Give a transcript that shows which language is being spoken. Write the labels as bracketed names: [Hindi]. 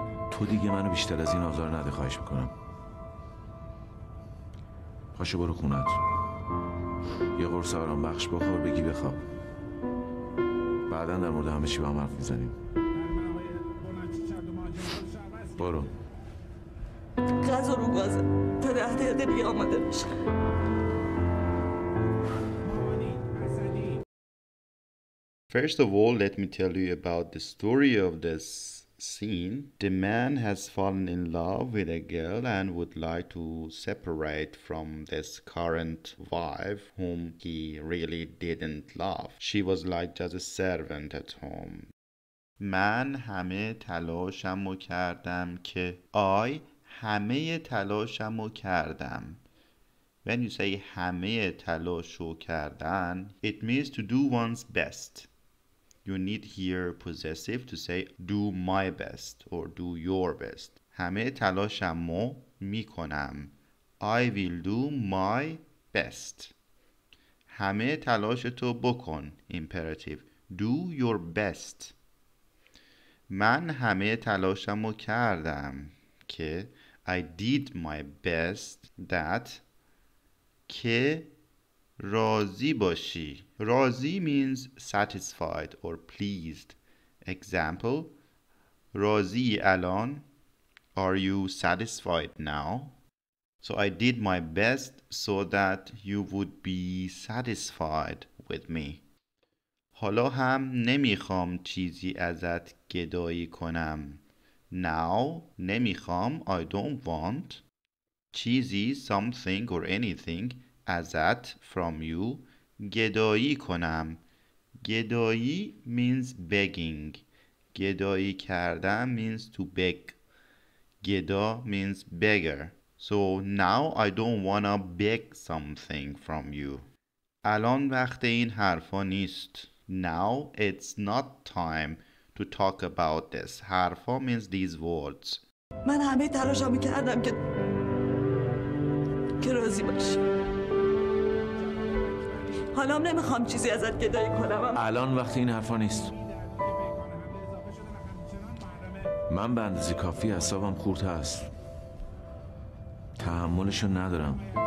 [Persian] تو دیگه منو بیشتر از این آزار نده. خواهش میکنم پاشو برو خونت، یه قرص آرام بخش بخور، بگی بخواب، بعدن در مورد همه چی با هم حرف میزنیم. برو. غذا رو گازه، تا 10 دقیقه دیگه آماده میشه. [English] First of all, let me tell you about the story of this scene. The man has fallen in love with a girl and would like to separate from this current wife whom he really didn't love. She was like just a servant at home. [Persian] من همه تلاشمو کردم که I همه تلاشمو کردم. [English] When you say [Persian] همه تلاشو کردن, [English] it means to do one's best. You need here possessive to say do my best or do your best. [Persian] همه تلاشمو میکنم. [English] I will do my best. [Persian] همه تلاشتو بکن. [English] Imperative. Do your best. [Persian] من همه تلاشمو کردم که [English] I did my best that [Persian] که راضی باشی. [English] راضی means satisfied or pleased. Example: [Persian] راضی الان. [English] Are you satisfied now? So I did my best so that you would be satisfied with me. [Persian] حالا هم نمیخوام چیزی ازت گدایی کنم. [English] Now نمیخوام. I don't want چیزی, something or anything ازت, from you, [Persian] گدایی کنم. [English] گدایی means begging. [Persian] گدایی کردن [English] means to beg. گدا means beggar. So now I don't wanna beg something from you. [Persian] الان وقت این حرفا نیست. [English] Now it's not time to talk about this. حرفا means these words. [Persian] من همه تلاشا میکردم که راضی باشی. حالا نمیخوام چیزی ازت گدایی کنم. الان وقت این حرفا نیست. من به اندازه کافی اعصابم خورد هست، تحملشو ندارم.